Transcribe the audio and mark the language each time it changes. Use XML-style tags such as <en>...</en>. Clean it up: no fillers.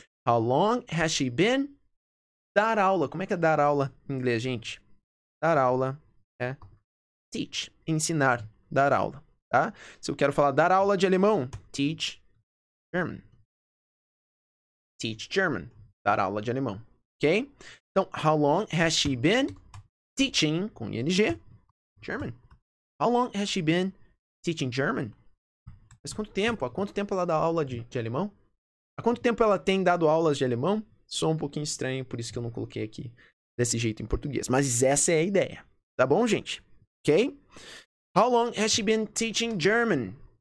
<en>How long has she been?</en> <pt>Dar aula. Como é que é dar aula em inglês, gente? Dar aula é teach. Ensinar. Dar aula. Tá? Se eu quero falar dar aula de alemão,</pt> <en>teach German. Teach German.</en> <pt>Dar aula de alemão. Ok?</pt> <en>Então, how long has she been teaching, com ING, German? How long has she been teaching German?</en> <pt>Faz quanto tempo? Há quanto tempo ela dá aula de alemão? Há quanto tempo ela tem dado aulas de alemão? Sou um pouquinho estranho, por isso que eu não coloquei aqui desse jeito em português. Mas essa é a ideia. Tá bom, gente? Ok?</pt> <en>How long has she been teaching German?</en>